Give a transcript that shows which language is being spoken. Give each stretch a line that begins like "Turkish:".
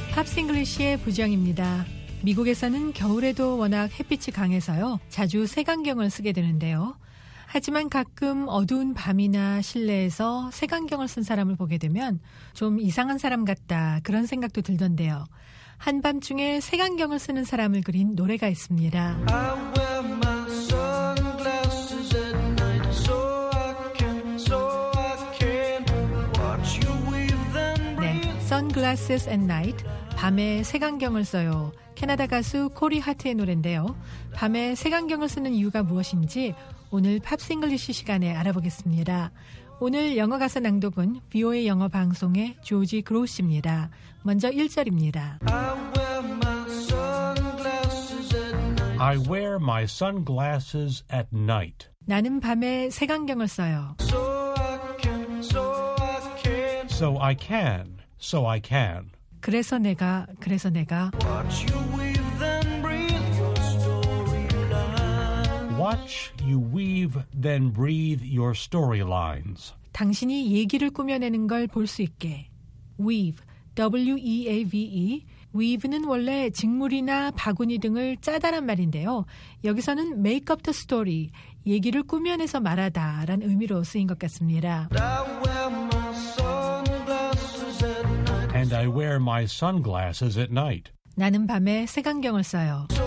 Korean: 팝스 잉글리쉬의 부정입니다. 미국에서는 겨울에도 워낙 햇빛이 강해서요. 자주 색안경을 쓰게 되는데요. 하지만 가끔 어두운 밤이나 실내에서 색안경을 쓴 사람을 보게 되면 좀 이상한 사람 같다 그런 생각도 들던데요. 한밤중에 색안경을 쓰는 사람을 그린 노래가 있습니다.
English: I wear my sunglasses at night so I can watch you with them.
Korean: 네, Sunglasses at Night. 밤에 색안경을 써요. 캐나다 가수 코리 하트의 노래인데요. 밤에 색안경을 쓰는 이유가 무엇인지 오늘 팝스 잉글리시 시간에 알아보겠습니다. 오늘 영어 가사 낭독은 VOA 영어 방송의 조지 그로우스입니다. 먼저 1절입니다.
English: I wear my sunglasses at night.
Korean: 나는 밤에 색안경을 써요.
English: So I can so I can.
Korean: 그래서 내가.
English: Watch you weave then breathe your storylines. Watch you weave then breathe your storylines.
Korean: 당신이 얘기를 꾸며내는 걸 볼 수 있게.
English: Weave, W-E-A-V-E.
Korean: Weave는 원래 직물이나 바구니 등을 짜다란 말인데요. 여기서는
English: make up the story,
Korean: 얘기를 꾸며내서 말하다란 의미로 쓰인 것 같습니다.
English: And I wear my sunglasses at night.
Korean: 나는 밤에 색안경을 써요.